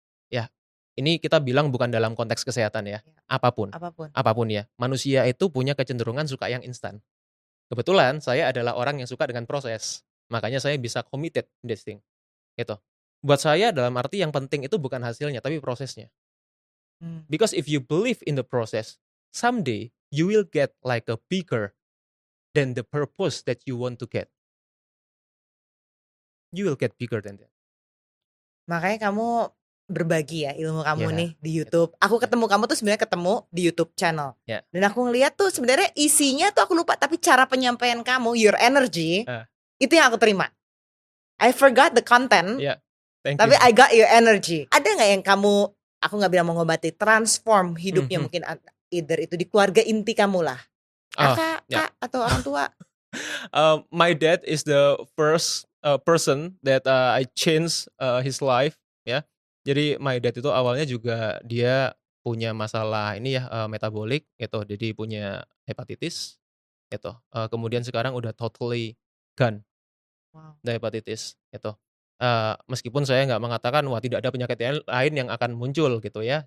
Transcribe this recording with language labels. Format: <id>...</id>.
<id>Ya, ini kita bilang bukan dalam konteks kesehatan ya, apapun ya, manusia itu punya kecenderungan suka yang instan. Kebetulan saya adalah orang yang suka dengan proses, makanya saya bisa</id> <en>committed in this thing.</en> <id>Gitu. Buat saya dalam arti yang penting itu bukan hasilnya, tapi prosesnya.</id> <en>Because if you believe in the process, someday you will get like a bigger than the purpose that you want to get. You will get bigger than that.</en> <id>Makanya kamu berbagi ya ilmu kamu nih di YouTube. Aku ketemu kamu tuh sebenarnya ketemu di YouTube channel. Yeah. Dan aku ngeliat tuh sebenarnya isinya tuh aku lupa, tapi cara penyampaian kamu,</id> <en>your energy,</en> <id>itu yang aku terima.</id> <en>I forgot the content, tapi I got your energy.</en> <id>Ada gak yang kamu, aku gak bilang mengobati, transform hidupnya mungkin either itu di keluarga inti kamu lah. Kak atau orang tua.</id> <en>My dad is the first person that I changed his life. Yeah.</en> <id>Jadi my dad itu awalnya juga dia punya masalah ini ya, metabolik gitu. Jadi punya hepatitis gitu. Kemudian sekarang udah</id> <en>totally gone. Wow.</en> <id>Dari hepatitis gitu. Meskipun saya nggak mengatakan wah tidak ada penyakit lain yang akan muncul gitu ya.</id>